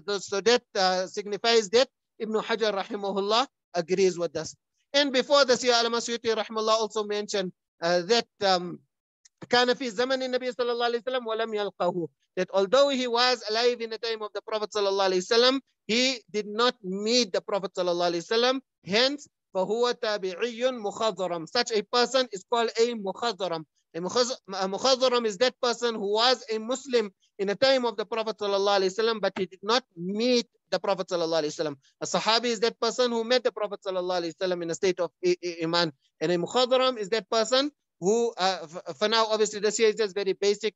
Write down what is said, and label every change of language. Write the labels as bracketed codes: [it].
[en] So that signifies that Ibn Hajar rahimahullah agrees with us. And before this, Ya Alama Suyuti rahimahullah also mentioned that [ar] كَانَ فِي زَمَنِ النَّبِيِّ صَلَى اللَّهِ عَلَيْهِ وَسَلَّمَ وَلَمْ يَلْقَهُ. [en] That although he was alive in the time of the Prophet صلى الله عليه وسلم, he did not meet the Prophet صلى الله عليه وسلم. Hence, [ar] فهو تابعي مخضرم. [en] Such a person is called a مخضرم. A مخضرم is that person who was a Muslim in the time of the Prophet صلى الله عليه وسلم, but he did not meet the Prophet صلى الله عليه وسلم. A Sahabi is that person who met the Prophet صلى الله عليه وسلم in a state of iman. And a مخضرم is that person who, for now, obviously, this here is just very basic.